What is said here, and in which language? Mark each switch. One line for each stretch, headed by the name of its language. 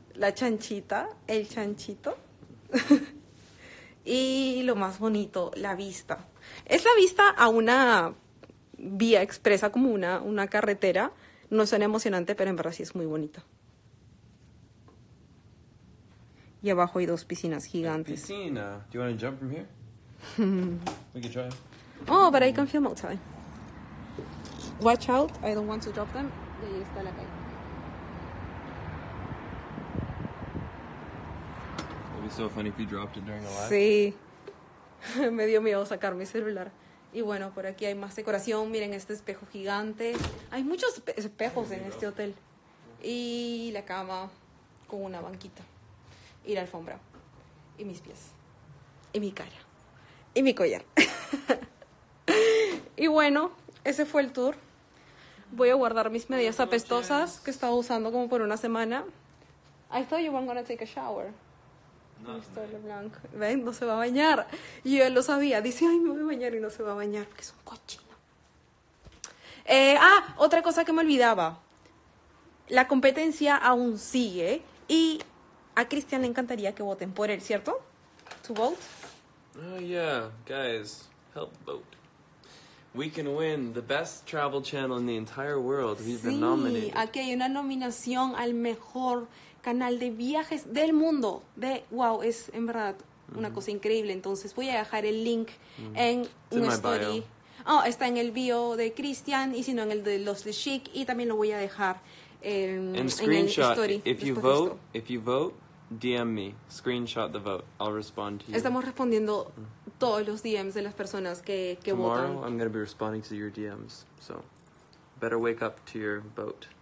Spanish: La chanchita. El chanchito. Y lo más bonito, la vista. Es la vista a una vía expresa, como una carretera. No suena emocionante, pero en verdad sí es muy bonito. Y abajo hay dos piscinas gigantes. Piscina.
English: Do you want to jump from here? We can try. Oh, but I can film outside. Watch out, I don't want to drop them.
Spanish: Y ahí está la calle.
English: It'd be so funny if you dropped it during the live.
Spanish: Sí. Me dio miedo sacar mi celular. Y bueno, por aquí hay más decoración. Miren este espejo gigante. Hay muchos espejos en este hotel. Y la cama con una banquita. Y la alfombra. Y mis pies. Y mi cara. Y mi collar. Y bueno, ese fue el tour. Voy a guardar mis medias apestosas que estaba usando como por una semana.
English: I thought you weren't gonna take a shower.
Spanish: No. Ven, no se va a bañar. Y él lo sabía. Dice, ay, me voy a bañar y no se va a bañar porque es un cochino. Otra cosa que me olvidaba. La competencia aún sigue. Y a Cristian le encantaría que voten por él, ¿cierto?
English: To vote. Yeah, guys, help vote. We can win the best travel channel in the entire world. We've been nominated.
Spanish: Sí, aquí hay una nominación al mejor canal de viajes del mundo. Wow, es en verdad una cosa increíble. Entonces voy a dejar el link en un story. Oh, está en el bio de Cristian y si no en el de Los Le Chic. Y también lo voy a dejar en el story.
English: And screenshot, if you vote, DM me, screenshot the vote. I'll respond to you.
Spanish: Estamos respondiendo todos los DMs de las personas que
English: tomorrow,
Spanish: votan.
English: Tomorrow I'm going to be responding to your DMs. So, better wake up to your vote.